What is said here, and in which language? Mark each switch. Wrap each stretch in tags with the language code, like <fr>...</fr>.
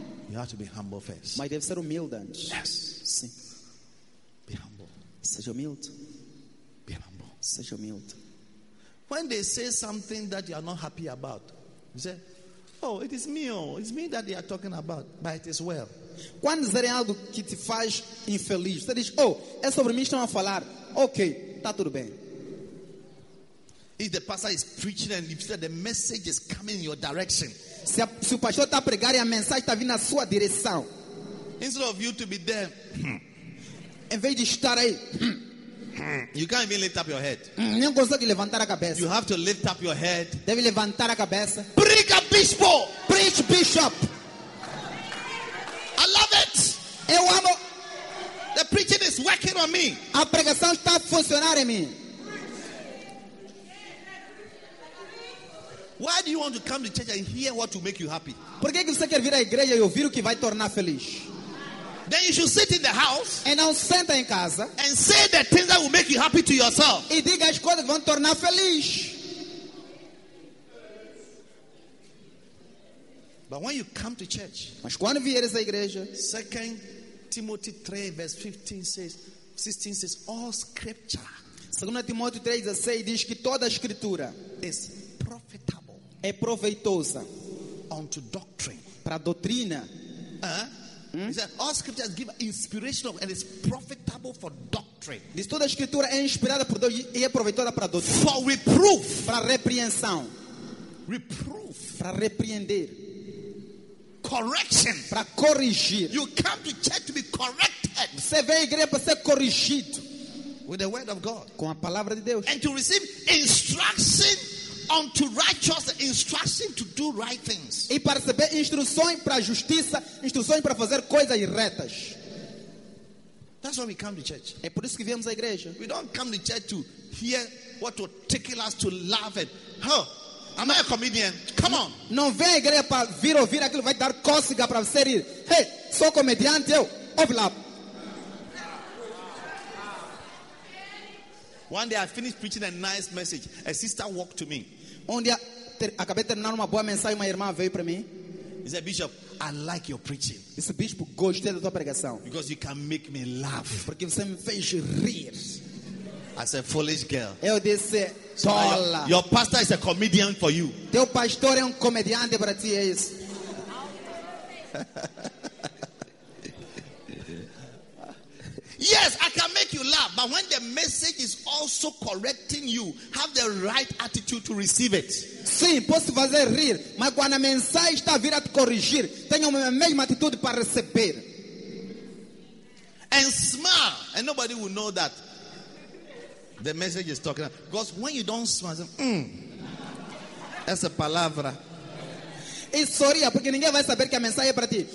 <en>You have to be humble first.</en> <pt>Mas deve ser humilde antes.</pt> <en>Yes.</en> <pt>Sim.</pt> <en>Be humble.</en> <pt>Seja humilde.</pt> <en>Be humble.</en> <pt>Seja humilde.</pt> <en>When they say something that you are not happy about, you say, oh, it is me. Oh, it's me that they are talking about. But it is well.</en> <pt>Quando dizerem algo que te faz infeliz, você diz, oh, é sobre mim que estão a falar. Ok, está tudo bem.</pt> <en>If the pastor is preaching and if the message is coming in your direction,</en> <pt>se o pastor está a pregar e a mensagem está vindo na sua direção,</pt> <en>instead of you to be there,</en> <pt>em vez de estar aí,</pt> <en>you can't even lift up your head.</en> <pt>Não consegue levantar a cabeça.</pt> <en>You have to lift up your head.</en> <pt>Deve levantar a cabeça.</pt> <en>Preach, bishop. Preach, bishop. I love it.</en> <pt>Eu amo.</pt> <en>The preaching is working on me.</en> <pt>A pregação está a funcionar em mim.</pt> <en>Why do you want to come to church and hear what will make you happy?</en> <pt>Por que você quer vir à igreja e ouvir o que vai tornar feliz?</pt> <en>Then you should sit in the house and now</en> <pt>senta em casa</pt> <en>and say the things that will make you happy to yourself.</en> <pt>E diga as coisas que vão tornar feliz.</pt> <en>But when you come to church,</en> <pt>mas quando vieres à igreja,</pt> <en>2 Timothy 3 verse 15 says, 16 says, all scripture.</en> <pt>2 Timóteo 3 16 diz que toda a escritura</pt> <en>is profitable.</en> <pt>É proveitosa</pt> <en>unto doctrine.</en> <pt>Para a doutrina.</pt> <en>He said, all scriptures give inspiration of and is profitable for doctrine.</en> <pt>Diz, toda a escritura é inspirada por Deus e é proveitosa para a doutrina.</pt> <en>For reproof.</en> <pt>Para repreensão.</pt> <en>Reproof.</en> <pt>Para repreender.</pt> <en>Correction.</en> <pt>Para corrigir.</pt> <en>You come to church to be corrected.</en> <pt>Você vem à igreja para ser corrigido.</pt> <en>With the word of God.</en> <pt>Com a palavra de Deus.</pt> <en>And to receive instruction unto righteousness, instruction to do right things.</en> <pt>E para receber instruções para a justiça, instruções para fazer coisas retas.</pt> <en>That's why we come to church.</en> <pt>É por isso que viemos à igreja.</pt> <en>We don't come to church to hear what will tickle us to laugh and, huh? Am I a comedian? Come on.</en> <pt>Não vem à igreja para vir ouvir aquilo vai dar cócega para você rir. Hey, sou comediante eu. Ouve lá.</pt> <en>One day I finished preaching a nice message. A sister walked to me.</en> <pt>Um dia acabei de terminar uma boa mensagem, uma irmã veio para mim.</pt> <en>He said, Bishop, I like your preaching.</en> <pt>Disse, bispo, gostei da tua pregação.</pt> <en>Because you can make me laugh.</en> <pt>Porque você me fez rir.</pt> <en>I said, foolish girl.</en> <pt>Eu disse, tola.</pt> <en>Your pastor is a comedian for you.</en> <pt>Teu pastor é comediante para ti, é isso.</pt> <en>Yes, I can make you laugh, but when the message is also correcting you, have the right attitude to receive it.</en> <pt>Sim, posso fazer rir, mas quando a mensagem está a vir a te corrigir, tenha a mesma atitude para receber.</pt> <en>And smile, and nobody will know that the message is talking. Because when you don't smile,</en> <pt>essa palavra. E sorria, porque ninguém vai saber que a mensagem é para ti.</pt>